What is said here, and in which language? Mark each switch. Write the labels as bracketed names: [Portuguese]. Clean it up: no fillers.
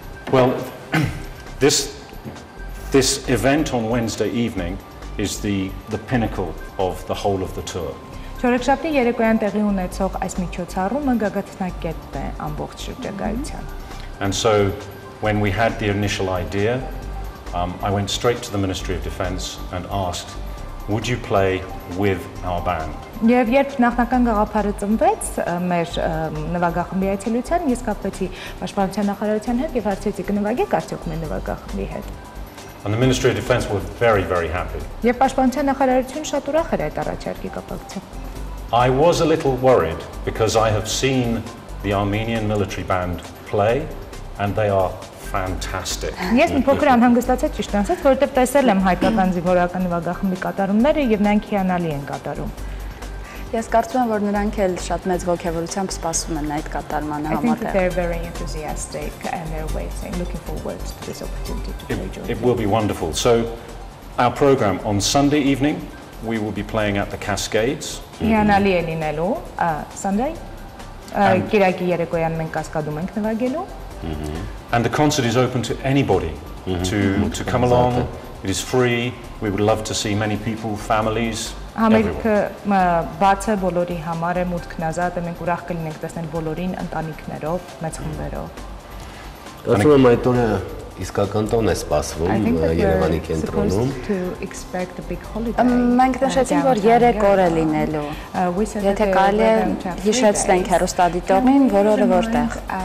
[English] Well, this event on Wednesday evening is the pinnacle of the whole of the tour. [Armenian] Չորեքշաբթի երեկոյան տեղի ունեցող այս միջոցառումը գագաթնակետն է ամբողջ շրջագայության. [English] And so when we had the initial idea, I went straight to the Ministry of Defence and asked, would you play with our band? [Armenian] Եվ երբ նախնական գաղափարը ծնվեց մեր նվագախմբի այցելության, ես կապվեցի պաշտպանության նախարարության հետ եւ հարցեցի կնվագեք արդյոք մեր նվագախմբի հետ։ [English] And the Ministry of Defence were very very happy. [Armenian] Եվ պաշտպանության նախարարությունը շատ ուրախ էր այդ առաջարկի կապակցությամբ։ [English] I was a little worried because I have seen the Armenian military band play and they are fantastic. [Armenian] Ես մի փոքր անհանգստացա ճիշտ ասած, որովհետեւ տեսել եմ հայկական զինվորական նվագախմբի կատարումները եւ նրանք հիանալի են կատարում։ Ես կարծում եմ, որ նրանք էլ շատ մեծ ոգևորությամբ սպասում են այդ կատարմանը համատեղ։ [English] I think that they're very enthusiastic and they're waiting, looking forward to this opportunity to play jointly. It will be wonderful. So, our program on Sunday evening, we will be playing at the Cascades. [Armenian] Հիանալի է լինելու Sunday։ Կիրակի երեկոյան մենք կասկադում ենք նվագելու։ [English] And the concert is open to anybody to come along. It is free. We would love to see many people, families, [Armenian] Համերգը բաց է բոլորի համար, մուտքն ազատ է, մենք ուրախ կլինենք տեսնել բոլորին ընտանիքներով, մեծ խմբերով։ Ասում եմ այդ օրը իսկական տոն է սպասվում Երևանի կենտրոնում։ Մենք նշեցինք, որ 3 օր է լինելու։ Եթե կարելի է, հիշեցնենք հեռուստադիտողին, որ օրը որտեղ։